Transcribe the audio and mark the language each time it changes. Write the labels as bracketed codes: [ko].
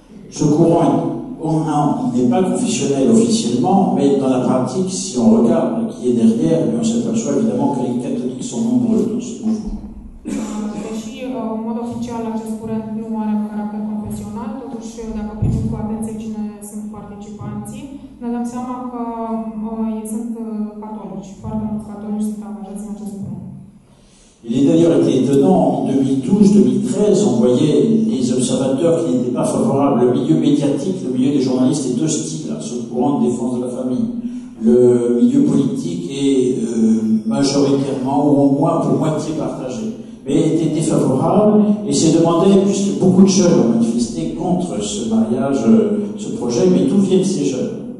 [ro] Ce curent [fr] il n'est pas confessionnel officiellement, mais dans la pratique, si on regarde qui est derrière, on s'aperçoit évidemment que les catholiques sont nombreux dans ce mouvement. [ro] Deși, [fr] en mode officiel, [ro] acest curent nu are caracter confesional, totuși, dacă privim cu atenție cine sunt participanții, ne dăm seama că ei sunt catolici, foarte mulți catolici sunt angajați în acest curent. [fr] Il est d'ailleurs été étonnant, en 2012-2013, on voyait les observateurs qui n'étaient pas favorables. Le milieu médiatique, le milieu des journalistes est hostile à ce courant de défense de la famille. Le milieu politique est majoritairement, ou au moins pour moitié partagé, mais était défavorable et s'est demandé, puisque beaucoup de jeunes ont manifesté contre ce mariage, ce projet, mais d'où viennent ces jeunes?